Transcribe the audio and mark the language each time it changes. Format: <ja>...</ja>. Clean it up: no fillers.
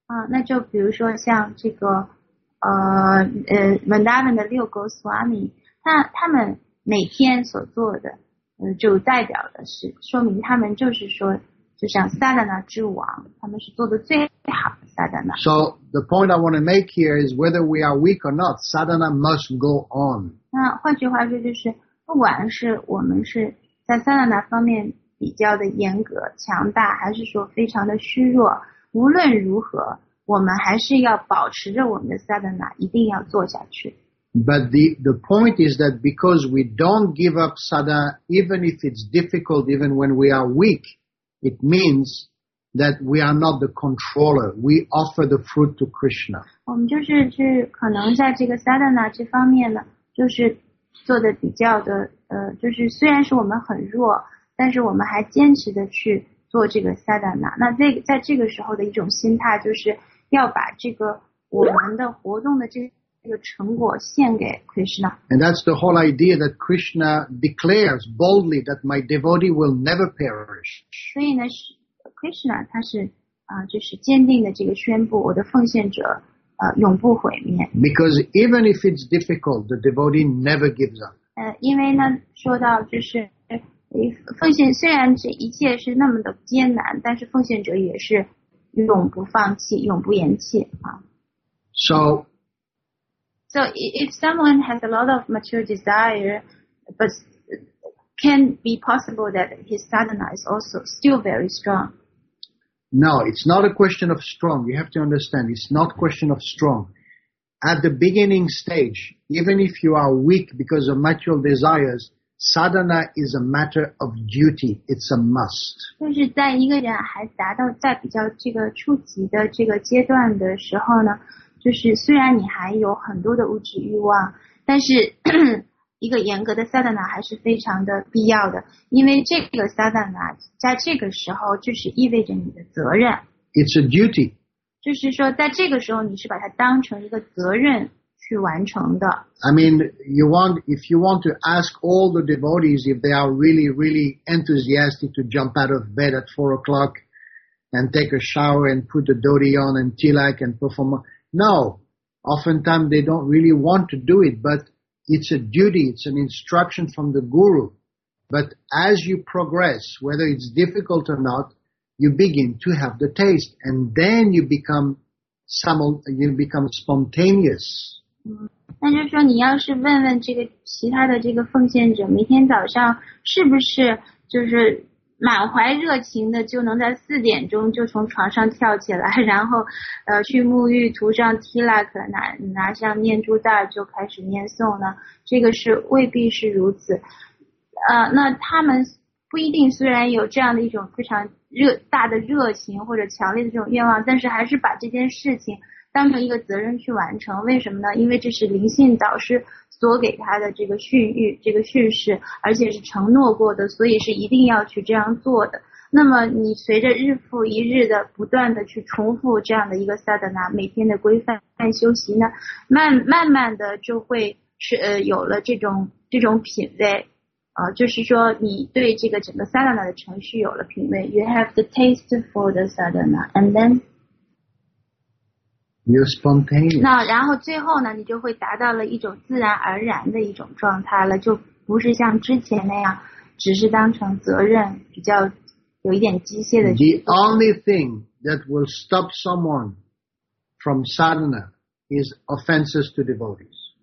<zh>那就比如说像这个Vrindavan 的六 Goswami， 他们每天所做的，就代表的是说明他们就是说，就像 Sadhana 之王，他们是做的最好的 Sadhana。</zh> <en>So the point I want to make here is whether we are weak or not, Sadhana must go on。</en> <zh>那换句话说，就是不管是我们是在 Sadhana 方面比较的严格强大，还是说非常的虚弱，无论如何。我们还是要保持着我们的 sadhana， 一定要做下去。</zh> <en>But the point is that because we don't give up sadhana, even if it's difficult, even when we are weak, it means that we are not the controller. We offer the fruit to Krishna.</en> <zh>我们就是去可能在这个 sadhana 这方面呢，就是做的比较的，就是虽然是我们很弱，但是我们还坚持的去。做这个 sadhana， 那在这个时候的一种心态就是要把这个我们的活动的这个成果献给 Krishna。</zh> <en>And that's the whole idea that Krishna declares boldly that my devotee will never perish。</en> <zh>所以呢，是 Krishna 他是就是坚定的这个宣布我的奉献者永不毁灭。</zh> <en>Because even if it's difficult, the devotee never gives up。</en> <zh>因为呢，说到就是。奉献虽然这一切是那么的艰难，但是奉献者也是永不放弃，永不言弃啊。</zh> <en>So if someone has a lot of material desire, but can be possible that his sadhana is also still very strong. No, it's not a question of strong. You have to understand, it's not a question of strong. At the beginning stage, even if you are weak because of material desires. Sadhana is a matter of duty. It's a must.</en> <zh>就是在一个人还达到在比较这个初级的这个阶段的时候呢，就是虽然你还有很多的物质欲望，但是一个严格的 sadhana 还是非常的必要的，因为这个 sadhana 在这个时候就是意味着你的责任。</zh> <en>It's a duty.</en> <zh>就是说在这个时候你是把它当成一个责任。</zh> <en>I mean, if you want to ask all the devotees if they are really, really enthusiastic to jump out of bed at 4 o'clock and take a shower and put a dhoti on and tilak and perform. No, oftentimes they don't really want to do it, but it's a duty, it's an instruction from the guru. But as you progress, whether it's difficult or not, you begin to have the taste and then you become spontaneous.</en> <zh>那就是说你要是问问这个其他的这个奉献者每天早上是不是就是满怀热情的就能在4点钟就从床上跳起来然后去沐浴涂上 tilak 拿上念珠袋就开始念诵呢这个是未必是如此那他们不一定虽然有这样的一种非常大的热情或者强烈的这种愿望但是还是把这件事情当成一个责任去完成，为什么呢？因为这是灵性导师所给他的这个训谕、这个训示，而且是承诺过的，所以是一定要去这样做的。那么你随着日复一日的不断的去重复这样的一个萨德纳，每天的规范修习呢，慢慢的就会是有了这种品味，就是说你对这个整个萨德纳的程序有了品味。</zh> <en>You have the taste for the sadhana, and then you're spontaneous.</en> <zh>那然后最后呢，你就会达到了一种自然而然的一种状态了，就不是像之前那样，只是当成责任比较。有一点机械的。</zh> <en>The only thing that will stop someone from sadhana is offenses to devotees.</en>